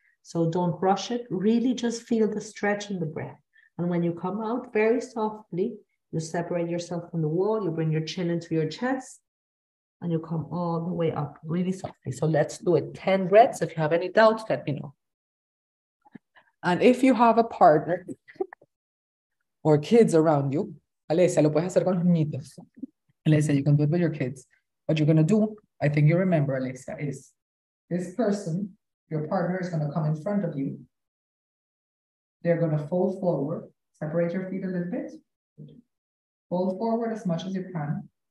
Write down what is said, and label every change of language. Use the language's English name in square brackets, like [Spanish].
[English] So don't rush it. Really just feel the stretch in the breath. And when you come out very softly, you separate yourself from the wall. You bring your chin into your chest and you come all the way up really softly. So let's do it. 10 breaths. If you have any doubts, let me know. And if you have a partner or kids around you, Alessia, [Spanish] lo puedes hacer con los niños. [English] Alessia, you can do it with your kids. What you're going to do, I think you remember, Alessia, is this person, your partner is going to come in front of you. They're going to fold forward. Separate your feet a little bit. Fold forward as much as you can.